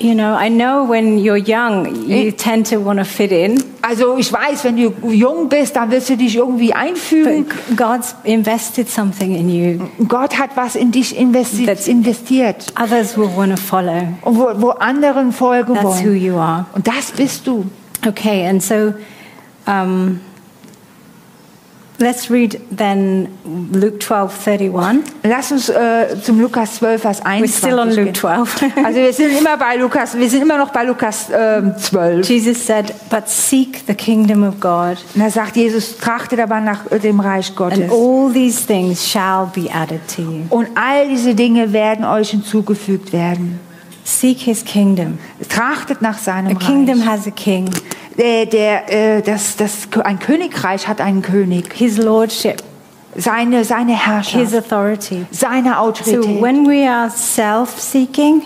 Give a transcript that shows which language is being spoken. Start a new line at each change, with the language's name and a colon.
English: You know, I know when you're young, you tend to want to fit in.
German: also ich weiß, wenn du jung bist, dann wirst du dich irgendwie einfügen.
English: But God's invested something in you.
German: Gott hat was in dich investiert.
English: Others will want to follow.
German: Und wo anderen folgen
English: That's
German: wollen.
English: That's who you are.
German: Und das bist du.
English: Okay, and so let's read then Luke 12:31.
German: Lass uns zum Lukas 12 Vers 21 gehen.
English: We're still on Luke 12.
German: Also wir sind immer bei Lukas. Wir sind immer noch bei Lukas 12.
English: Jesus said, "But seek the kingdom of God."
German: Und er sagt Jesus, trachte dabei nach dem Reich Gottes.
English: And all these things shall be added to you.
German: Und all diese Dinge werden euch hinzugefügt werden.
English: Seek His kingdom.
German: Trachtet nach seinem Reich.
English: A kingdom has a king.
German: Ein Königreich hat einen König.
English: His lordship,
German: seine Herrschaft.
English: His authority,
German: seine Autorität.
English: So when we are self-seeking,